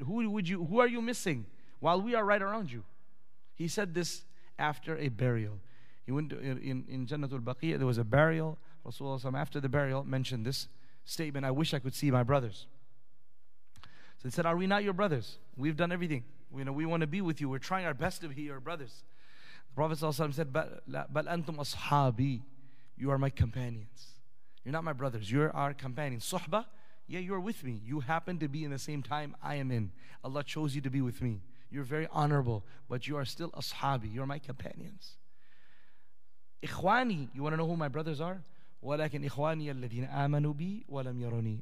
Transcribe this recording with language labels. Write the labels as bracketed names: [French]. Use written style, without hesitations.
[English] Who are you missing while we are right around you? He said this after a burial. He went to, in Jannatul Baqiyah, there was a burial. Rasulullah, after the burial, mentioned this statement, I wish I could see my brothers. So they said, are we not your brothers? We've done everything. We want to be with you. We're trying our best to be your brothers. The Prophet ﷺ said, [Arabic] بَلْ أَنْتُمْ أَصْحَابِي. [English] You are my companions. You're not my brothers. You're our companions. Suhba, yeah, you're with me. You happen to be in the same time I am in. Allah chose you to be with me. You're very honorable, but you are still ashabi. You're my companions. [Arabic] إِخْوَانِي. [English] You want to know who my brothers are? [Arabic] وَلَكِنْ إِخْوَانِيَ الَّذِينَ آمَنُوا بِي وَلَمْ يَرُونِي.